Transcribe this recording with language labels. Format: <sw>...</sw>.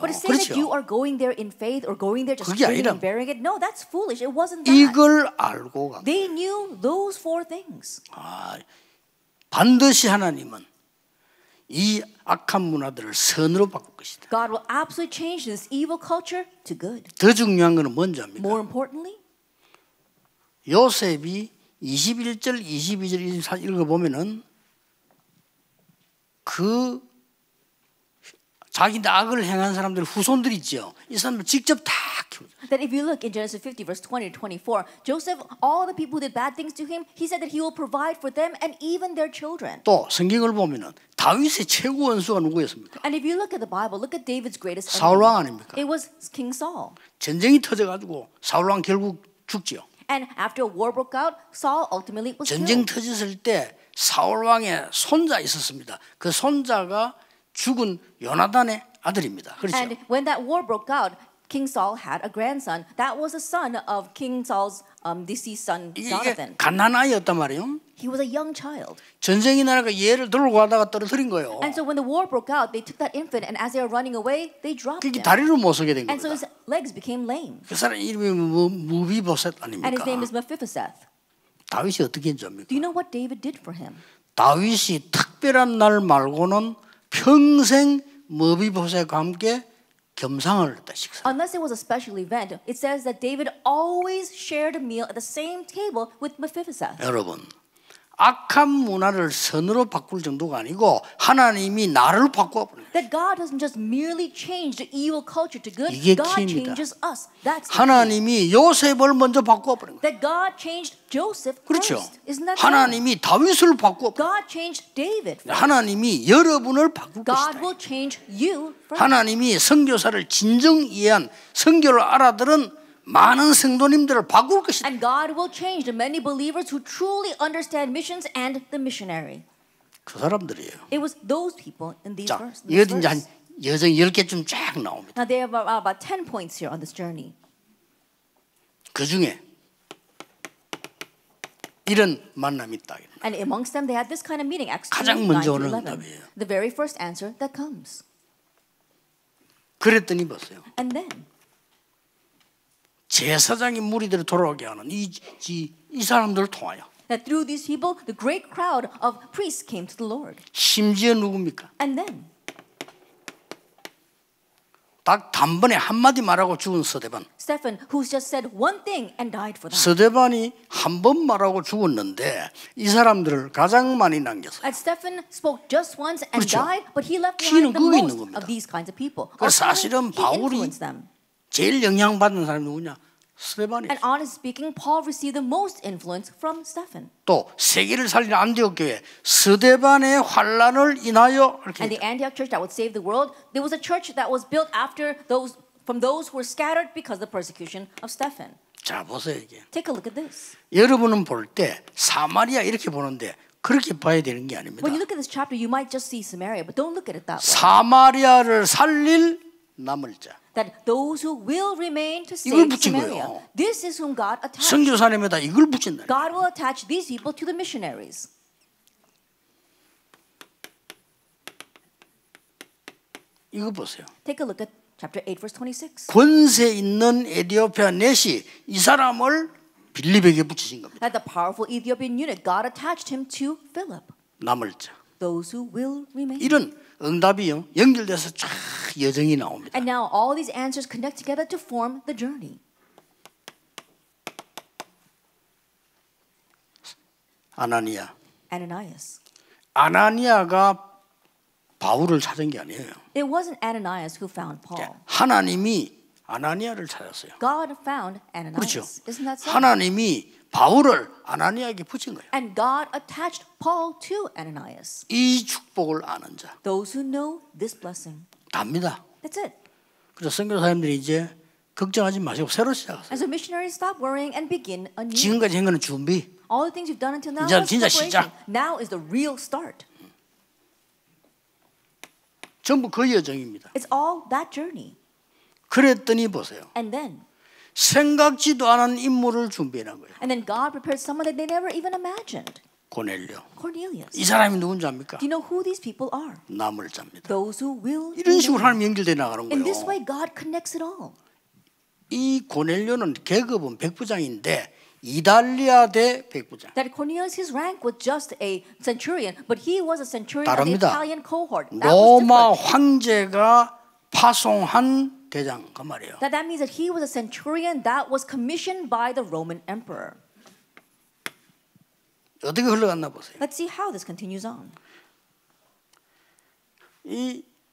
<en>But saying</en> <ko>그렇죠?</ko> <en>that you are going there in faith or going there just praying and bearing it, no, that's foolish. It wasn't that.</en> <ko>이걸 알고 간.</ko> <en>They knew those four things.</en> <ko>아, 반드시 하나님은 이 악한 문화들을 선으로 바꿀 것이다.</ko> <en>God will absolutely change this evil culture to good.</en> <ko>더 중요한 것은 뭔지 압니까?</ko> <en>More importantly,</en> <ko>요셉이 21절, 22절 읽어보면은 그 자기 악을 행한 사람들 후손들 있죠. 이 사람들 직접 다</ko> <en>That if you look in Genesis 50 verse 20 to 24, Joseph, all the people who did bad things to him, he said that he will provide for them and even their children.</en> <ko>또 성경을 보면은 다윗의 최고 원수가 누구였습니까?</ko> <en>And if you look at the Bible, look at David's greatest enemy.</en> <ko>사울 왕 아닙니까?</ko> <en>It was King Saul.</en> <ko>전쟁이 터져가지고 사울 왕 결국 죽지요.</ko> <en>And after a war broke out, Saul ultimately was killed.</en> <ko>전쟁 터졌을 때 사울 왕의 손자 있었습니다. 그 손자가 죽은 요나단의 아들입니다. 그렇죠?</ko> <en>And when that war broke out, King Saul had a grandson. That was the son of King Saul's deceased son, Jonathan.</en> <ko>갓난아이였단 말이에요.</ko> <en>He was a young child.</en> <ko>전쟁이 나니까 얘를 들고 가다가 떨어뜨린 거예요.</ko> <en>And so when the war broke out, they took that infant, and as they were running away, they dropped him.</en> <ko>그게 다리를 못 서게 된 겁니다.</ko> <en>And so his legs became lame.</en> <ko>그 사람 이름이 뭐, 무비보셋 아닙니까?</ko> <en>And his name is Mephibosheth.</en> <ko>다윗이 어떻게 했는지 압니까?</ko> <en>Do you know what David did for him?</en> <ko>다윗이 특별한 날 말고는 평생 무비보셋과 함께 겸상을 했다 식사.</ko> <en>Unless it was a special event, it says that David always shared a meal at the same table with Mephibosheth.</en> <ko>여러분, 악한 문화를 선으로 바꿀 정도가 아니고 하나님이 나를 바꿔 버립니다.</ko> <en>That God doesn't just merely change the evil culture to good. God changes us. That's</en> <ko>하나님이 요셉을 먼저 바꿔 버린 거예요.</ko> <en>That God changed Joseph first.</en> <ko>그렇죠.</ko> <en>Isn't that</en> <ko>하나님이 다윗을 바꿔</ko> <en>God changed David. First.</en> <ko>하나님이 여러분을 바꿀</ko> <en>God</en> <ko>것이다.</ko> <en>God will change you. First.</en> <ko>하나님이 선교사를 진정 이해한 선교를 알아들은 많은 성도님들을 바꿀 것이다.</ko> <en>And God will change the many believers who truly understand missions and the missionary.</en> <ko>그 사람들이에요.</ko> <en>It was those people in these</en> <ko>자,</ko> <en>verse.</en> <ko>여기 이제 한 여정 10개쯤 쫙 나옵니다.</ko> <en>Now there are about 10 points here on this journey.</en> <ko>그 중에 이런 만남이 있다.</ko> <en>And amongst them they had this kind of meeting. Acts</en> <ko>가장 먼저 오는 답이에요.</ko> <en>The very first answer that comes.</en> <ko>그랬더니 보세요.</ko> <en>And then</en> <ko>제사장이 무리들을 돌아오게 하는 이 사람들을 통하여</ko> <en>That through these people, the great crowd of priests came to the Lord.</en> <ko>심지어 누굽니까?</ko> <en>And then</en> <ko>딱 단번에 한마디 말하고 죽은 스데반</ko> <en>Stephen, who's just said one thing and died for that.</en> <ko>스데반이 한번 말하고 죽었는데 이 사람들을 가장 많이 남겼어요.</ko> <en>And Stephen spoke just once and</en> <ko>그렇죠.</ko> <en>died, but he left behind the most of these kinds of people.</en> <ko>그 사실은 바울이 제일 영향받은 사람이 누구냐? 스데반이죠.</ko> <en>And honestly speaking, Paul received the most influence from Stephen.</en> <ko>또 세계를 살린 안디옥 교회, 스데반의 환난을 인하여</ko> <en>And the Antioch church that would save the world, there was a church that was built after those from those who were scattered because of the persecution of Stephen.</en> <ko>자 보세요 이게.</ko> <en>Take a look at this.</en> <ko>여러분은 볼 때 사마리아 이렇게 보는데 그렇게 봐야 되는 게 아닙니다.</ko> <en>When you look at this chapter, you might just see Samaria, but don't look at it that way.</en> <ko>사마리아를 살릴 남을 자.</ko> <en>That those who will remain to save</en> <ko>이걸 붙인</ko> <en>Samaria.</en> <ko>거예요.</ko> <en>This is whom God attached.</en> <ko>선교사님에다 이걸 붙인다.</ko> <en>God will attach these people to the missionaries.</en> <ko>이거 보세요.</ko> <en>Take a look at chapter 8 verse 26.</en> <ko>권세 있는 에티오피아 넷이 이 사람을 빌립에게 붙이신 겁니다.</ko> <en>That the powerful Ethiopian eunuch God attached him to Philip.</en> <ko>남을 자.</ko> <en>Those who will remain.</en> <ko>이런 응답이요 연결돼서 쫙 여정이 나옵니다.</ko> <en>And now all these answers connect together to form the journey.</en> <ko>아나니아.</ko> <en>Ananias.</en> <ko>아나니아가 바울을 찾은 게 아니에요.</ko> <en>It wasn't Ananias who found Paul.</en> <ko>하나님이 아나니아를 찾았어요.</ko> <en>God found Ananias.</en> <ko>그렇죠.</ko> <en>Isn't that so?</en> <ko>하나님이 바울을 아나니아에게 붙인 거예요.</ko> <en>And God attached Paul to Ananias.</en> <ko>이 축복을 아는 자.</ko> <en>Those who know this blessing.</en> <ko>답니다.</ko> <en>That's it.</en> <ko>그래서 선교사님들이 이제 걱정하지 마시고 새로 시작하세요.</ko> <en>And so missionaries stop worrying and begin anew.</en> <ko>지금까지 한 거는 준비.</ko> <en>All the things you've done until now is preparation. Now is the real start.</en> <ko>전부 그 여정입니다.</ko> <en>It's all that journey.</en> <ko>그랬더니 보세요.</ko> <en>And then</en> <ko>생각지도 않은 인물을 준비한 거예요.</ko> <en>And then God prepared someone that they never even imagined.</en> <ko>고넬료.</ko> <en>Cornelius.</en> <ko>이 사람이 누군지 압니까?</ko> <en>Do you know who these people are?</en> <ko>남을 잡니다.</ko> <en>Those who will.</en> <ko>이런 식으로 하나님 연결돼 나가는 거예요.</ko> <en>In this way, God connects it all.</en> <ko>이 고넬료는 계급은 백부장인데 이달리아 대 백부장.</ko> <en>That Cornelius, his rank was just a centurion, but he was a centurion</en> <ko>다릅니다.</ko> <en>of the Italian cohort.</en> <ko>로마 황제가 파송한 대장 그 말이에요.</ko> <en>That means that he was a centurion that was commissioned by the Roman emperor.</en> <ko>어떻게 흘러갔나 보세요.</ko> <en>Let's see how this continues on.</en> <ko>이</ko>